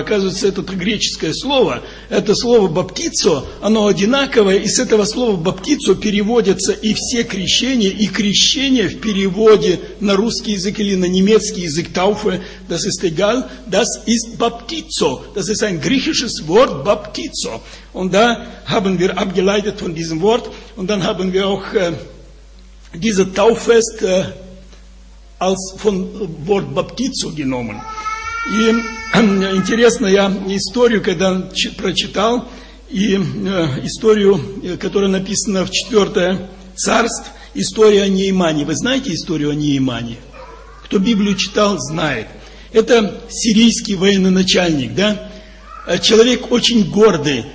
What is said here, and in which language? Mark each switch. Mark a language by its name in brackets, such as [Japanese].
[Russian] Оказывается, это греческое слово, это слово «баптицо», оно одинаковое, и с этого слова «баптицо» переводятся и все крещения, и крещение в переводе на русский язык или на немецкий язык «тауфе», [German] «das ist egal», «das ist baptizo», «das ist ein griechisches Wort baptizo». Und da haben wir abgeleitet von diesem Wort, und dann haben wir auch... dieses Tauffest als von Wort Baptizo genommen. [Russian] И интересно, я историю, когда прочитал, и историю, которая написана в 4 царств, история о Неймане. Вы знаете историю о Неймане? Кто Библию читал, знает. Это сирийский военачальник, да? Человек очень гордый.